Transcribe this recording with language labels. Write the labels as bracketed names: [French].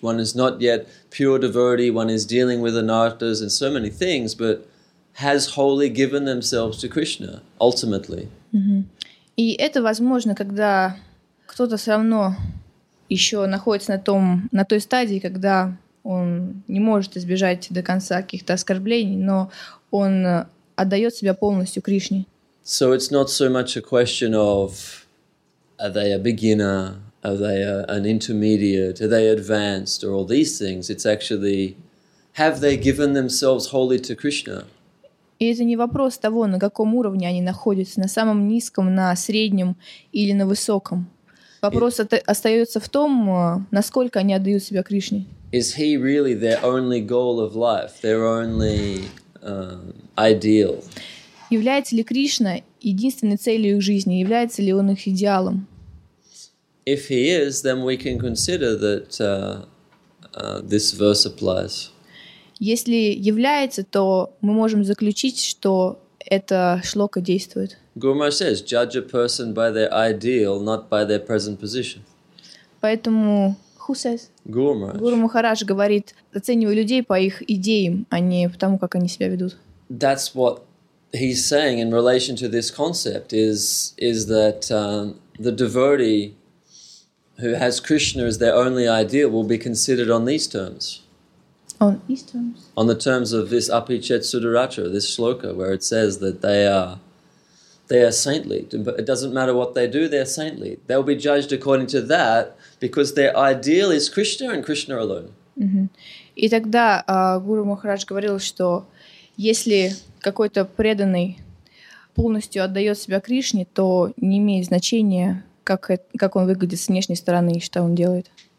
[English] One is not yet pure devotee, one is dealing with anarthas and so many things, but has wholly given themselves to Krishna, ultimately. [Russian] И это возможно, когда кто-то все равно еще находится на той стадии, когда он не может избежать до конца каких-то оскорблений, но он отдает себя полностью Кришне. [English] So it's not so much a question of are they a beginner, are they an intermediate, are they advanced, or all these things. It's actually have they given themselves wholly to Krishna? [Russian] И это не вопрос того, на каком уровне они находятся, на самом низком, на среднем или на высоком. Вопрос остается в том, насколько они отдают себя Кришне. [English] Is he really their only goal of life, their only ideal? [Russian] Является ли Кришна единственной целью их жизни? Является ли он их идеалом? [English] If he is, then we can consider that this verse applies. [Russian] Если является, то мы можем заключить, что эта шлока действует. [English] Guru Maharaj says, judge a person by their ideal, not by their present position. [Russian] Поэтому, [English] who says? Guru [Russian] Maharaj говорит, оценивай людей по их идеям, а не по тому, как они себя ведут. [English] That's what he's saying in relation to this concept, is that the devotee who has Krishna as their only ideal will be considered on these terms. On these terms? On the terms of this Apichet Sudaratra, this shloka, where it says that they are saintly. It doesn't matter what they do, they're saintly. They'll be judged according to that because their ideal is Krishna and Krishna alone. [Russian] И тогда Гуру Махарадж говорил, что если какой-то преданный полностью отдает себя Кришне, то не имеет значения, как он выглядит с внешней стороны и что он делает.